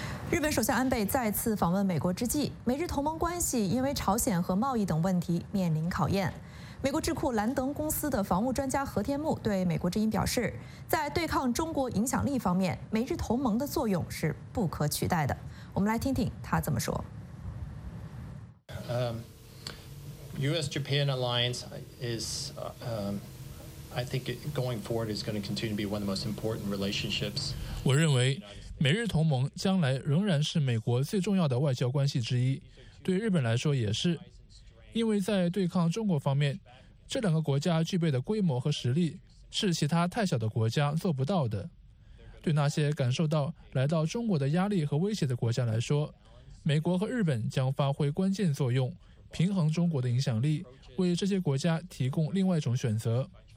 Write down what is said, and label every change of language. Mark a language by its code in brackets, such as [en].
[zh] 日本首相安倍再次访问美国之际，美日同盟关系因为朝鲜和贸易等问题面临考验。美国智库兰登公司的防务专家何天木对美国之音表示，在对抗中国影响力方面，美日同盟的作用是不可取代的。我们来听听他怎么说。 [en] US-Japan alliance is, I think going forward is going to continue to be one of the most important relationships. [zh] 我认为美日同盟将来仍然是美国最重要的外交关系之一，对日本来说也是，因为在对抗中国方面，这两个国家具备的规模和实力是其他太小的国家做不到的。对那些感受到来到中国的压力和威胁的国家来说，美国和日本将发挥关键作用，平衡中国的影响力，为这些国家提供另外一种选择。